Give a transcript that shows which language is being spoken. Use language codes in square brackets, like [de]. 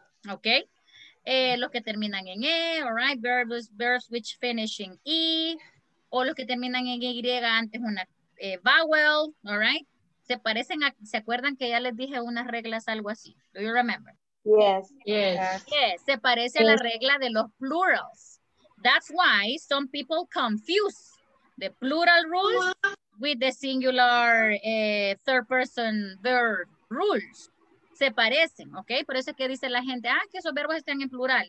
[es] Ok. Los que terminan en E, all right, [en] verbs which finish in E, [es] o los que terminan en Y antes una vowel, all right. Se parecen a, ¿se acuerdan que ya les dije unas reglas algo así? [en] Do you remember? Yes. [es] Se parece a la regla de los plurals. [en] That's why some people confuse the plural rules with the singular third person verb rules. [es] Se parecen, ok? Por eso es que dice la gente, ah, que esos verbos están en plural.